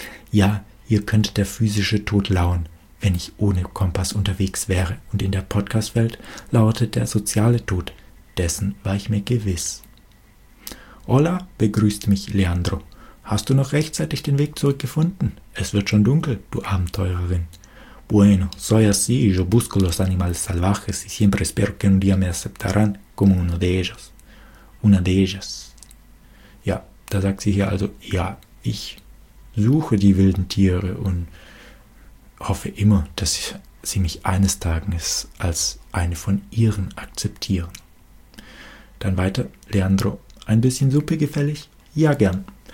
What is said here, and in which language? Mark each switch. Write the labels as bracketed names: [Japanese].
[German] Ja, hier könnte der physische Tod lauern, wenn ich ohne Kompass unterwegs wäre. Und in der Podcast-Welt lauerte der soziale Tod. Dessen war ich mir gewiss. [Spanish] Hola, [German] begrüßt mich Leandro. Hast du noch rechtzeitig den Weg zurückgefunden? Es wird schon dunkel, du Abenteurerin. [Spanish] Bueno, soy así, yo busco los animales salvajes y siempre espero que un día me aceptarán como uno de ellos. Una de ellas. [German] Ja, da sagt sie hier also, ja, ich suche die wilden Tiere und hoffe immer, dass sie mich eines Tages als eine von ihren akzeptieren. Dann weiter, Leandro. Ein bisschen Suppe gefällig? Ja, gern.